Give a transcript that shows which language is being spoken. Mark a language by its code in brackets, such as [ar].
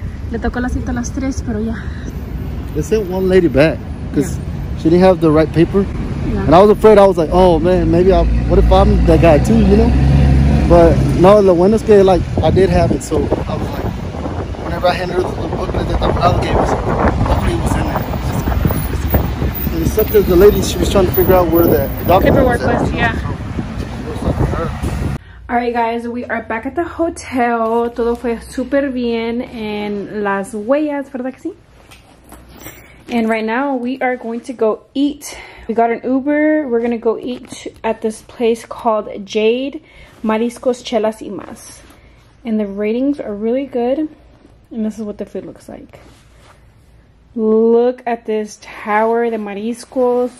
[es] Le tocó la cita a las 3, pero ya. [en] They sent one lady back because she didn't have the right paper. Yeah. And I was afraid, I was like, oh man, maybe I'll, what if I'm that guy too, you know? But no, [es] lo bueno es que, [en] like, I did have it, so I was like, whenever I handed her the booklet that the brother gave us, nobody was in there. Except that the lady, she was trying to figure out where the document paperwork was, yeah. All right, guys, we are back at the hotel. [es] Todo fue super bien en las huellas, ¿verdad que sí? [en] And right now we are going to go eat. We got an Uber. We're going to go eat at this place called Jade Mariscos Chelas y Mas. And the ratings are really good. And this is what the food looks like. Look at this tower, the mariscos.